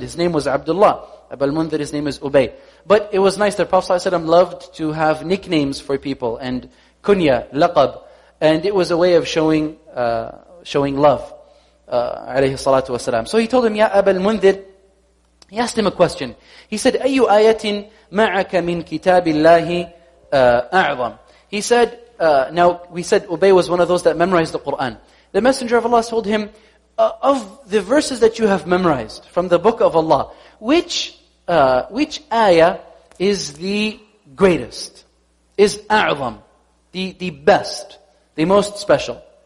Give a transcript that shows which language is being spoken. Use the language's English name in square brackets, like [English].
[English] His name was Abdullah. Abul Munzir, his name is Ubay. But it was nice that Prophet ﷺ loved to have nicknames for people and kunya, laqab. And it was a way of showing love. [Arabic] عليه الصلاة والسلام. [English] So he told him, Ya Abul Munzir, he asked him a question. He said, [Arabic] أَيُّ آيَةٍ مَعَكَ مِنْ كِتَابِ اللَّهِ أَعْظَمْ. [English] He said, now we said Ubay was one of those that memorized the Qur'an. The Messenger of Allah told him, of the verses that you have memorized from the book of Allah, which ayah is the greatest, is أَعْظَمْ, the best, the most special.